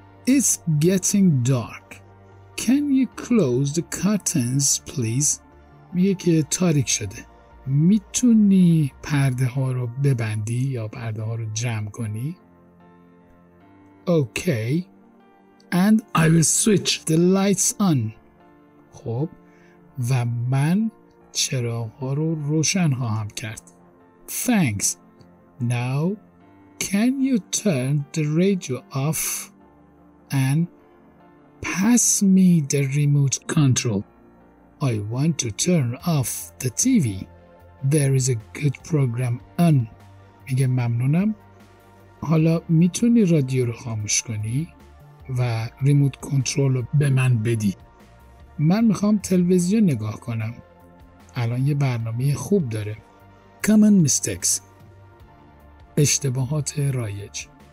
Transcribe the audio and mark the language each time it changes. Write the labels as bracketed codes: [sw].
[en] It's getting dark، can you close the curtains please، [fa] میگه که تاریک شده، میتونی پرده ها رو ببندی یا پرده ها رو جمع کنی؟ [en] Okay and I will switch the lights on، [fa] خب و من چراغ ها رو روشن خواهم کرد. [en] Thanks، now can you turn the radio off and pass me the remote control، I want to turn off the TV، there is a good program on. [fa] میگه ممنونم، حالا میتونی رادیو رو خاموش کنی و ریموت کنترل رو به من بدی؟ من میخوام تلویزیون نگاه کنم، الان یه برنامه خوب داره. [en] Common mistakes، [fa] اشتباهات رایج.